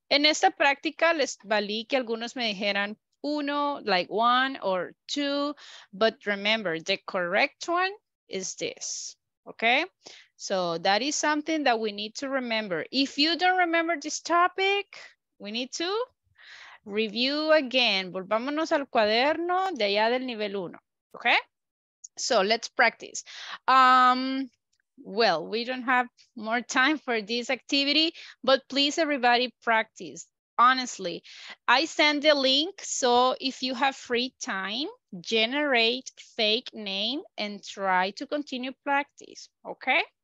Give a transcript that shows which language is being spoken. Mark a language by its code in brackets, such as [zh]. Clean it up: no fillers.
[es] En esta práctica les valí que algunos me dijeran uno, [en] like one or two, but remember, the correct one is this, okay? So that is something that we need to remember. If you don't remember this topic, we need to review again. [es] Volvámonos al cuaderno de allá del nivel uno, okay? [en] So let's practice. Well, we don't have more time for this activity, but please everybody practice. Honestly, I send the link. So if you have free time, generate fake name and try to continue practice, okay?